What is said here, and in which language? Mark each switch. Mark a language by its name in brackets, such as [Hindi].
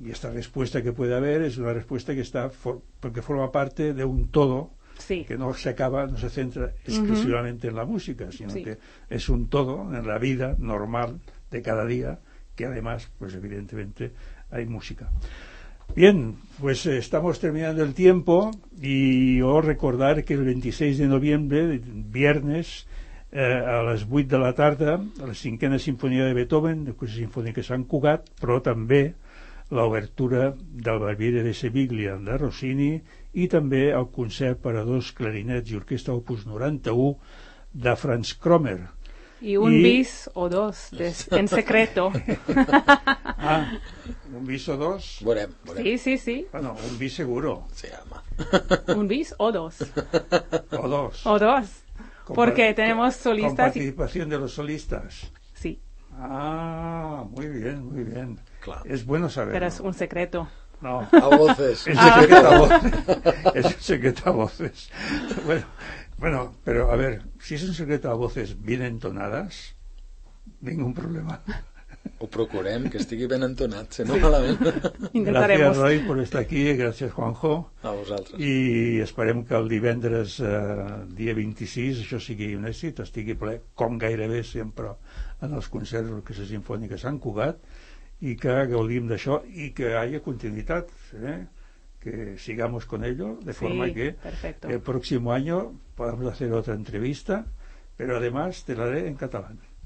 [Spanish] Y esta respuesta que puede haber es una respuesta que está porque forma parte de un todo, sí, que no se acaba, no se centra exclusivamente en la música, sino que es un todo en la vida normal de cada día, que además, pues evidentemente, hay música. Bien, pues estamos terminando el tiempo, y yo recordar que el 26 de noviembre, viernes, [Catalan] a les 8 de la tarda, la cinquena sinfonia de Beethoven, després la sinfonia de Sant Cugat, però també l'obertura del Barbiere de Seviglia de Rossini, i també el concert per a dos clarinets i orquestra Opus 91 de Franz Krommer. [Spanish] Y un bis o dos, en secreto. Ah, un bis o dos. [Catalan] Volem. [Spanish] Sí. Bueno, un bis seguro. Se llama. Un bis o dos. O dos. Porque tenemos solistas. Con participación de los solistas. Sí. Ah, muy bien. Claro. Es bueno saberlo. Pero es un secreto. No. A voces. Es un secreto a voces. Bueno. Bueno, pero a ver, si es un secreto a voces bien entonadas, ningún problema. [Catalan] O procurem que estigui ben entonat, si no malament. Gràcies, Roy, per estar aquí, i gràcies, Juanjo. A vosaltres. I esperem que el divendres, dia 26, això sigui un èxit, estigui ple, com gairebé sempre, en els concerts que la Sinfònica Sant Cugat, i que gaudim d'això, i que hi hagi continuïtat, [Spanish] que sigamos con ello, de forma que perfecto. El próximo año podamos hacer otra entrevista, pero además te la haré en catalán.